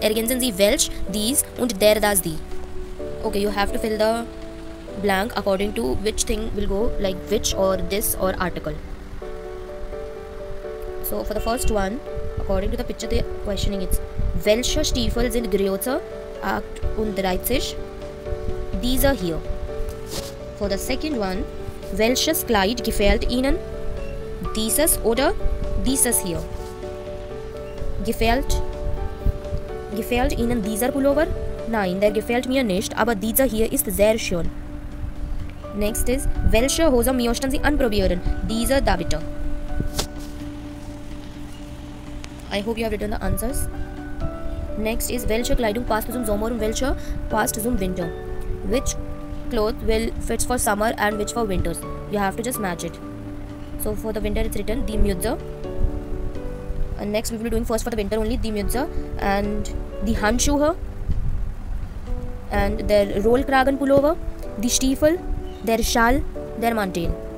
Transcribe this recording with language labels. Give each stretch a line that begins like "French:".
German: Ergänzen Sie welch, dies und der, das, die.
English: Okay, you have to fill the blank according to which thing will go, like which or this or article. So for the first one, according to the picture, the questioning is,
German: welche Stiefel sind größer 38?
English: These are here. For the second one,
German: welches Kleid gefällt Ihnen? Dieses oder dieses hier? Gefällt gefällt Ihnen dieser Pullover? Nein, der gefällt mir nicht, aber dieser hier ist sehr schön.
English: Next is,
German: welche Hose möchten Sie anprobieren? Diese da bitte.
English: I hope you have written the answers. Next is,
German: welche Kleidung passt zum Sommer und welche passt zum Winter?
English: Which cloth will fit for summer and which for winters? You have to just match it. So for the winter it's written die Mütze. And next we will be doing first for the winter only die Mütze and die Handschuhe and their Rollkragen pullover, die Stiefel, their Schal, their Mantel.